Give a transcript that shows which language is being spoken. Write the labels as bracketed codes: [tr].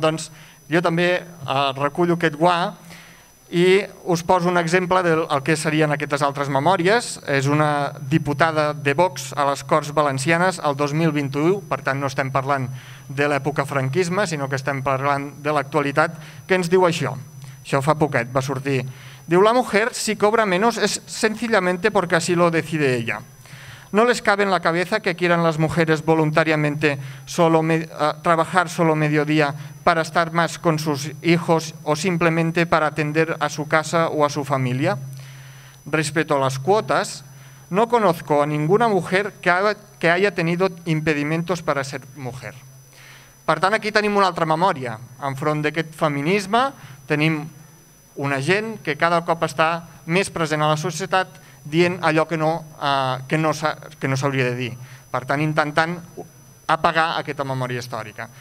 [ca] Doncs jo també recullo aquest guà i us poso un exemple del que serien aquestes altres memòries. És una diputada de Vox a les Corts Valencianes el 2021, per tant no estem parlant de l'època franquisme, sinó que estem parlant de l'actualitat, que ens diu això. Això fa poquet va sortir. [es] Diu, la mujer si cobra menos es sencillamente porque así lo decide ella. No les cabe en la cabeza que quieran las mujeres voluntariamente trabajar solo mediodía para estar más con sus hijos o simplemente para atender a su casa o a su familia. Respecto a las cuotas, no conozco a ninguna mujer que haya tenido impedimentos para ser mujer. [ca] Per tant, aquí tenim una altra memòria. Enfront d'aquest feminisme tenim una gent que cada cop està més present a la societat dient allò que no s'hauria de dir. Per tant, intentant apagar aquesta memòria històrica.